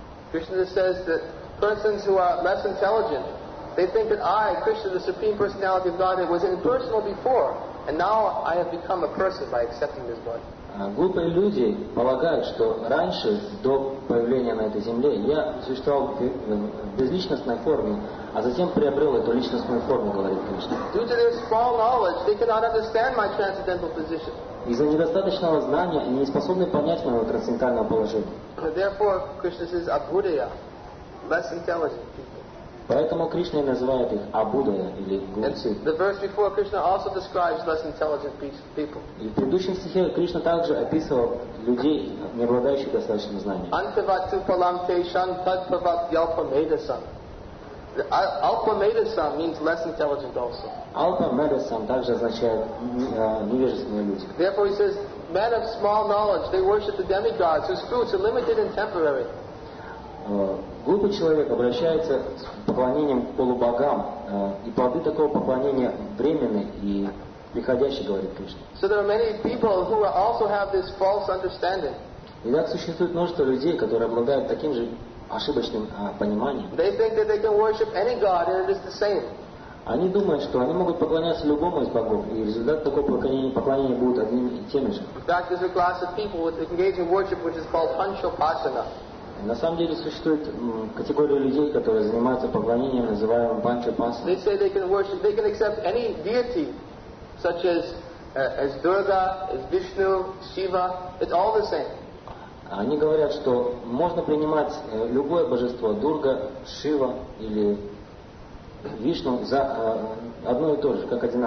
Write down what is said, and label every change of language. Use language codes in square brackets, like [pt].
[en] Krishna says that persons who are less intelligent, they think that I, Krishna, the Supreme Personality of Godhead, was impersonal before. And now I have become a person by accepting this body. [ru] Глупые люди полагают, что раньше, до появления на этой земле, я существовал в безличностной форме, а затем приобрел эту личностную форму, говорит Кришна. [en] Due to their small knowledge, they cannot understand my transcendental position. [ru] Из-за недостаточного знания они не способны понять моего трансцендентального положения. [en] Therefore, Krishna says, abhudaya, less intelligent people. [ru] Поэтому Кришна и называет их Абудая или Гурцы. И в предыдущем стихе Кришна также описывал людей, не обладающих достаточным знанием. [en] Alpamedasam means less intelligent also. [ru] Alpamedasam также означает невежественные люди. [en] Therefore he says, men of small knowledge, they worship the demigods whose fruits are limited and temporary. [ru] Глупый человек обращается с поклонением к полубогам, и плоды такого поклонения временны и приходящие, говорит Кришна. [en] So there are many people who also have this false understanding. [ru] И так существует множество людей, которые обладают таким же ошибочным пониманием. [en] They think that they can worship any god and it is the same. [ru] Они думают, что они могут поклоняться любому из богов, и результат такого поклонения будет одним и тем же. [en] In fact, there's a class of people who engage in worship which is called Panchopasana. [ru] На самом деле существует категория людей, которые занимаются поклонением, называемым Панчопасана. [en] They say they can worship, they can accept any deity, such as Durga, as Vishnu, Shiva. It's all the same. [ru] Они говорят, что можно принимать любое божество, Дурга, Шива или Вишну, за одно и то же, как